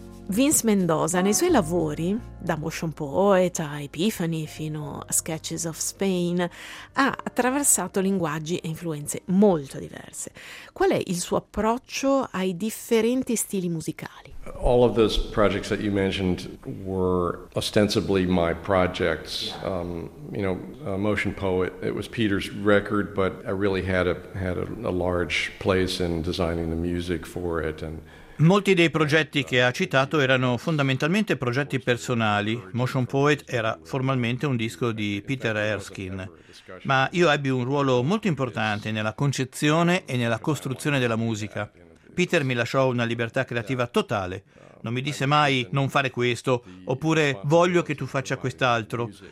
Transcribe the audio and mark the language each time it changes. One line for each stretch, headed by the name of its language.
Italian: Vince Mendoza, nei suoi lavori, da Motion Poet a Epiphany fino a Sketches of Spain, ha attraversato linguaggi e influenze molto diverse. Qual è il suo approccio ai differenti stili musicali?
English: All of those projects that you mentioned were ostensibly my projects. Motion Poet, it was Peter's record, but I really had a large place in designing the music for it. And
Italian: molti dei progetti che ha citato erano fondamentalmente progetti personali. Motion Poet era formalmente un disco di Peter Erskine, ma io ebbi un ruolo molto importante nella concezione e nella costruzione della musica. Peter mi lasciò una libertà creativa totale. Non mi disse mai non fare questo, oppure voglio che tu faccia quest'altro.